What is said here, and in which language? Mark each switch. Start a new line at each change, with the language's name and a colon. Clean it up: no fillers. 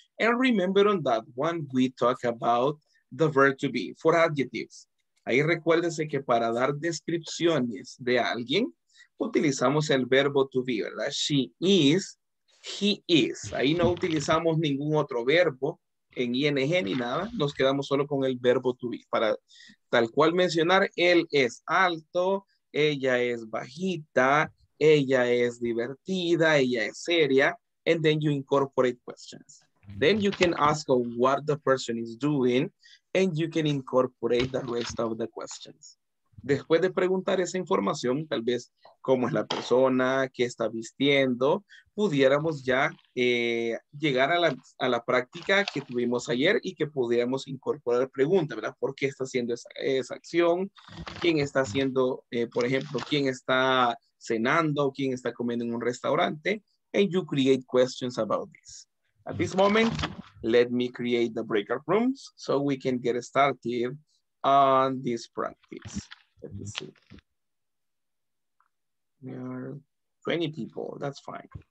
English: And remember on that one, we talk about the verb to be for adjectives.
Spanish: Ahí recuérdese que para dar descripciones de alguien, utilizamos el verbo to be, ¿verdad? She is, he is. Ahí no utilizamos ningún otro verbo en ing ni nada. Nos quedamos solo con el verbo to be. Para tal cual mencionar, él es alto, ella es bajita, ella es divertida, ella es seria.
English: And then you incorporate questions. Then you can ask what the person is doing and you can incorporate the rest of the questions.
Spanish: Después de preguntar esa información, tal vez cómo es la persona, qué está vistiendo, pudiéramos ya llegar a la práctica que tuvimos ayer y que pudiéramos incorporar preguntas, ¿verdad? ¿Por qué está haciendo esa acción? ¿Quién está haciendo, por ejemplo, quién está cenando? ¿Quién está comiendo en un restaurante?
English: And you create questions about this. At this moment, let me create the breakout rooms so we can get started on this practice. Let me see. There are 20 people, that's fine.